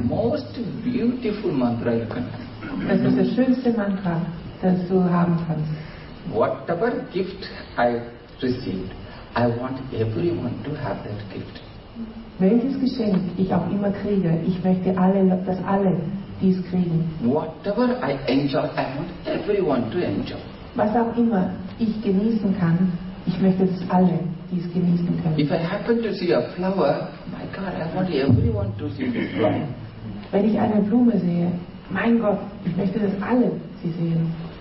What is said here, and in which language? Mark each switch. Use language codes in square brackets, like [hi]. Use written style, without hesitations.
[en] Most beautiful mantra you can. [de] Das ist das schönste Mantra, das du haben kannst. [en] Whatever gift I received, I want everyone to have that gift. [de] Welches Geschenk ich auch immer kriege, ich möchte alle, dass alle dies kriegen. [en] Whatever I enjoy, I want everyone to enjoy. [de] Was auch immer ich genießen kann, ich möchte, dass alle dies genießen können. [en] If I happen to see a flower, my God, I want everyone to see this flower. [de] Wenn ich eine Blume sehe, mein Gott, ich möchte, dass alle sie sehen.